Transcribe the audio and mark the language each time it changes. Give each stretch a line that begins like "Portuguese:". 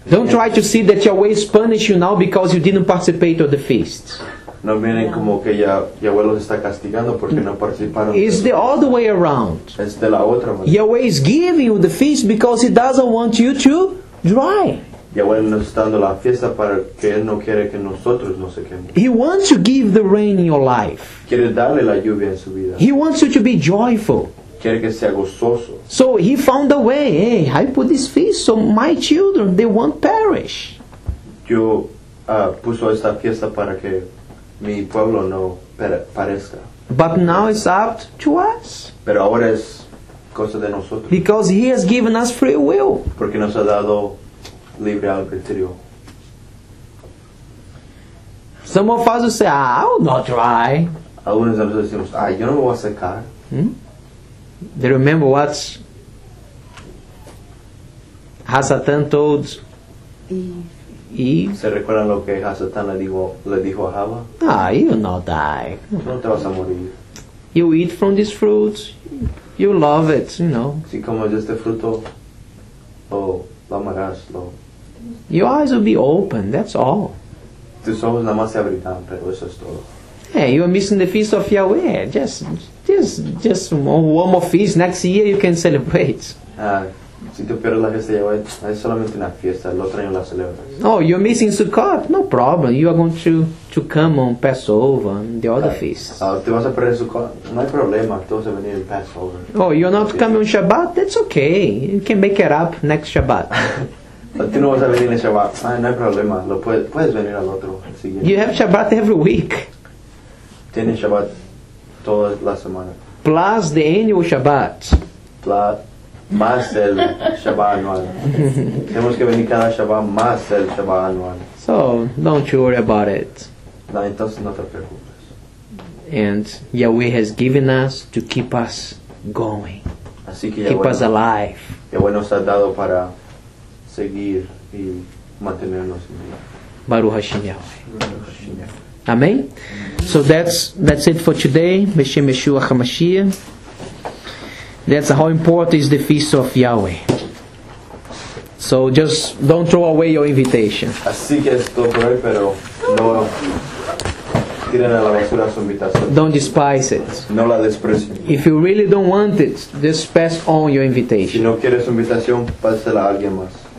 English: don't try to see that Yahweh is punishing you now because you didn't participate in the feast.
Spanish: No miren como que Yahweh los está castigando porque no participaron.
English: It's the other way around.
Spanish: Es de la otra manera.
English: Yahweh is giving you the feast because he doesn't want you to dry.
Spanish: Yahweh nos está dando la fiesta para que él no quiere que nosotros nos sequemos.
English: He wants to give the rain in your life.
Spanish: Quiere darle la lluvia en su vida.
English: He wants you to be joyful.
Spanish: Quiere que sea gozoso.
English: So he found a way. Hey, I put this feast so my children, they won't perish.
Spanish: Yo puso esta fiesta para que mi pueblo no perezca.
English: But now it's up to us.
Spanish: Pero ahora es cosa de nosotros.
English: Because he has given us free will.
Spanish: Porque nos ha dado libre albedrío.
English: Some of us will say, I will not try.
Spanish: Algunos de nosotros decimos, yo no voy a secar.
English: They remember what Hasatán told Eve.
Spanish: ¿Se recuerdan lo que Hasatán le dijo a Java?
English: You will not die.
Spanish: No te vas a morir.
English: You eat from this fruit, you love it, you know.
Spanish: Si comes este fruto, lo amarás, lo...
English: Your eyes will be open, that's all.
Spanish: Tus ojos nada más se abrirán, pero eso es todo.
English: Hey, you are missing the feast of Yahweh. Just one more feast. Next year you can celebrate.
Spanish: Si tú pierdes la fiesta de Yahweh, es solamente una fiesta. El otro año la celebras.
English: Oh, you're missing Sukkot? No problem. You are going to come on Passover and the other feasts.
Spanish: Te vas a perder Sukkot? No hay problema. Tú vas a venir en Passover.
English: Oh, you're not coming on Shabbat? That's okay. You can make it up next Shabbat.
Spanish: Tú no vas a venir en Shabbat. No hay problema. Puedes venir al otro. Siguiente.
English: You have Shabbat every week.
Spanish: Tienes Shabbat toda la semana.
English: Plus the annual Shabbat.
Spanish: Más el Shabbat anual. Tenemos que venir cada Shabbat más el Shabbat anual.
English: So, don't you worry about it.
Spanish: No, entonces no te preocupes.
English: And Yahweh has given us to keep us going.
Spanish: Así que
English: keep us alive.
Spanish: Yahweh nos ha dado para seguir y mantenernos en vida.
Hebrew: Baruch Hashem Yahweh.
English: Amen. So that's it for today.
Hebrew: Meshem Yeshua HaMashiach.
English: That's how important is the feast of Yahweh. So just don't throw away your invitation.
Spanish: Así que esto por ahí, pero no tiren a la basura su invitación.
English: Don't despise it.
Spanish: No la desprecien.
English: If you really don't want it, just pass on your invitation.
Spanish: Si no quieres su invitación, pásela a alguien más.